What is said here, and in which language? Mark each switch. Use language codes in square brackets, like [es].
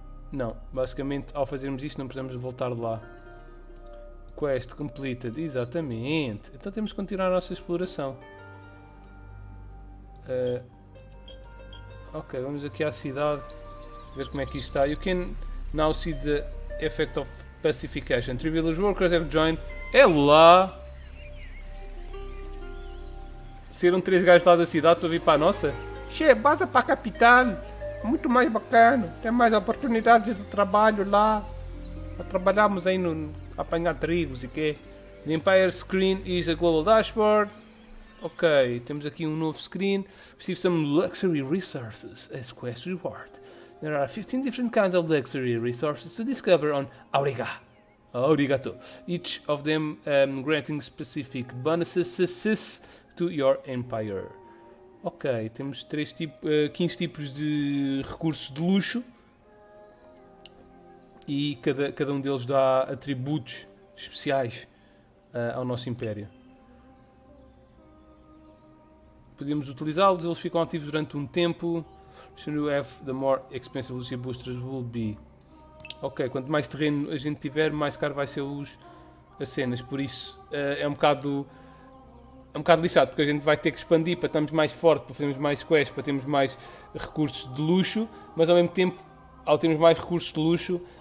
[pt] Não, basicamente ao fazermos isto não precisamos voltar lá. [en] Quest completed, [pt] exatamente. Então temos que continuar a nossa exploração. Ok, vamos aqui à cidade, ver como é que isto está. [en] You can now see the effect of pacification. 3 village workers have joined. [pt] É lá! Seram 3 gajos lá da cidade para vir para a nossa? Che, basta para a capital! Muito mais bacana! Tem mais oportunidades de trabalho lá! A trabalharmos aí no apanhar trigos e quê? [en] The Empire Screen is a global dashboard. [pt] Ok, temos aqui um novo screen. [en] Receive some luxury resources as quest reward. There are 15 different kinds of luxury resources to discover on Auriga. Arigato. Each of them granting specific bonuses to your empire. [pt] Ok, temos 15 tipos de recursos de luxo. E cada um deles dá atributos especiais ao nosso império. Podemos utilizá-los, eles ficam ativos durante um tempo. [en] The sooner you have, the more expensive luxury boosters will be. [pt] Ok, quanto mais terreno a gente tiver, mais caro vai ser as cenas. Por isso, é um bocado lixado, porque a gente vai ter que expandir para estarmos mais fortes, para fazermos mais quests, para termos mais recursos de luxo. Mas ao mesmo tempo, ao termos mais recursos de luxo,